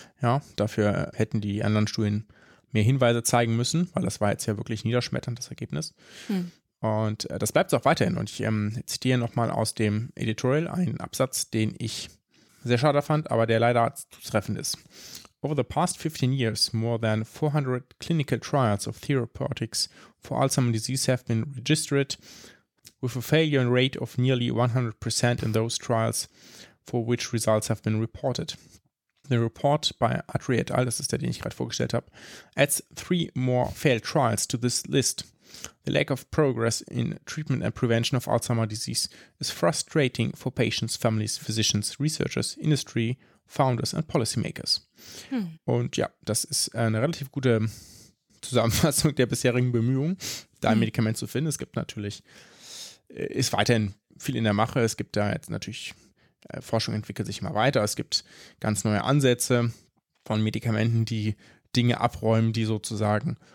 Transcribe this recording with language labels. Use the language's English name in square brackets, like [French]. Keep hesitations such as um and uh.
[German] Ja, dafür hätten die anderen Studien mehr Hinweise zeigen müssen, weil das war jetzt ja wirklich niederschmetternd, das Ergebnis. Hm. Und äh, das bleibt es auch weiterhin. Und ich ähm, zitiere nochmal aus dem Editorial einen Absatz, den ich sehr schade fand, aber der leider zutreffend ist. [English] Over the past 15 years, more than 400 clinical trials of therapeutics for Alzheimer's disease have been registered, with a failure rate of nearly 100% in those trials for which results have been reported. The report by Atri et al., [German] das ist der, den ich gerade vorgestellt habe, [English] adds three more failed trials to this list. The lack of progress in treatment and prevention of Alzheimer's disease is frustrating for patients, families, physicians, researchers, industry, founders and policymakers. [German] Und ja, das ist eine relativ gute Zusammenfassung der bisherigen Bemühungen, da ein Medikament zu finden. Es gibt natürlich, äh, ist weiterhin viel in der Mache. Es gibt da jetzt natürlich, äh, Forschung entwickelt sich immer weiter. Es gibt ganz neue Ansätze von Medikamenten, die Dinge abräumen, die sozusagen